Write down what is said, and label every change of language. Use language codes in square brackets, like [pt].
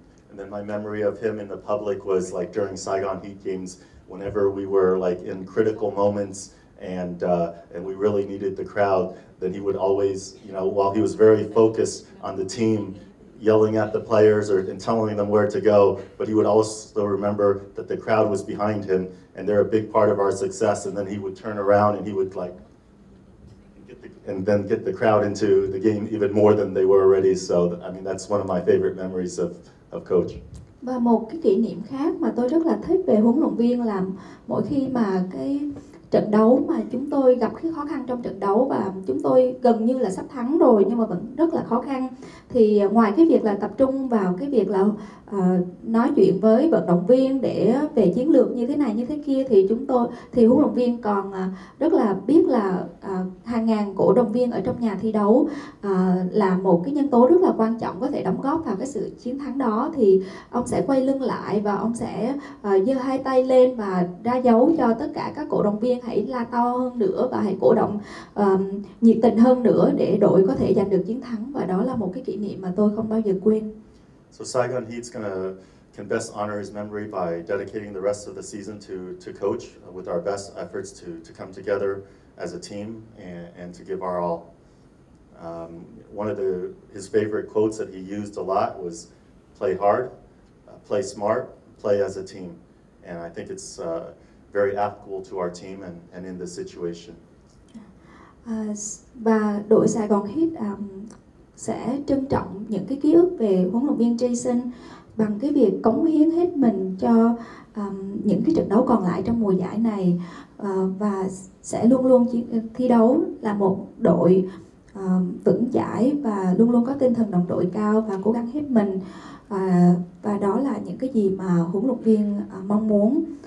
[en] And then my memory of him in the public was like during Saigon Heat games, whenever we were like in critical moments and we really needed the crowd, then he would always, you know, while he was very focused on the team, yelling at the players and telling them where to go, but he would also remember that the crowd was behind him and they're a big part of our success. And then he would turn around and he would like get the crowd into the game even more than they were already. So I mean, that's one of my favorite memories of coach. [vi] Và một cái kỷ niệm khác mà tôi rất là thích về huấn luyện viên là mỗi khi mà cái trận đấu mà chúng tôi gặp cái khó khăn trong trận đấu và chúng tôi gần như là sắp thắng rồi nhưng mà vẫn rất là khó khăn, thì ngoài cái việc là tập trung vào cái việc là nói chuyện với vận động viên để về chiến lược như thế này như thế kia, thì thì huấn luyện viên còn rất là biết là hàng ngàn cổ động viên ở trong nhà thi đấu là một cái nhân tố rất là quan trọng có thể đóng góp vào cái sự chiến thắng đó. Thì ông sẽ quay lưng lại và ông sẽ giơ hai tay lên và ra dấu cho tất cả các cổ động viên hãy la to hơn nữa và hãy cổ động nhiệt tình hơn nữa để đội có thể giành được chiến thắng, và đó là một cái kỷ niệm mà tôi không bao giờ quên. [en] So Saigon Heat's can best honor his memory by dedicating the rest of the season to coach with our best efforts to come together as a team and to give our all. One of his favorite quotes that he used a lot was play hard, play smart, play as a team. And I think it's very applicable to our team and in this situation. [vi] Và đội Saigon Heat sẽ trân trọng những cái ký ức về huấn luyện viên Jason bằng cái việc cống hiến hết mình cho những cái trận đấu còn lại trong mùa giải này, và sẽ luôn luôn thi đấu là một đội vững chãi và luôn luôn có tinh thần đồng đội cao và cố gắng hết mình, và đó là những cái gì mà huấn luyện viên mong muốn.